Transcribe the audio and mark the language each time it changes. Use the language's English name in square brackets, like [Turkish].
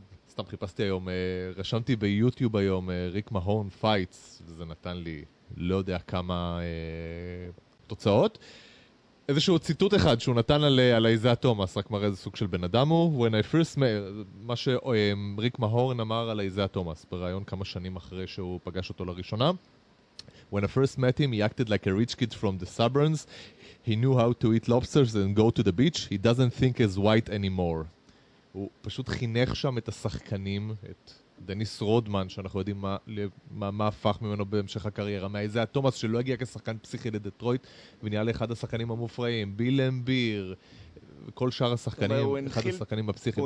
[Hebrew] סתם חיפשתי היום, רשמתי ביוטיוב היום ריק מהורן פייטס, וזה נתן לי לא יודע כמה תוצאות. איזשהו ציטוט אחד שהוא נתן על איזה תומאס, רק מראה איזה סוג של בן אדם הוא. [English] When I first met, [Hebrew] מה שריק מהורן אמר על איזה תומאס, ברעיון כמה שנים אחרי שהוא פגש אותו לראשונה. [English] When I first met him, he acted like a rich kid from the suburbs. He knew how to eat lobsters and go to the beach. He doesn't think as white anymore. [Hebrew] הוא פשוט חינך שם את השחקנים, את דניס רודמן, שאנחנו יודעים מה הפך ממנו בהמשך הקריירה. מאיזה תומאס שלא הגיע כשחקן פסיכי לדטרויט, ונהיה לאחד השחקנים המופרעים. ביל אמביר, כל שאר השחקנים, אחד השחקנים הפסיכיים.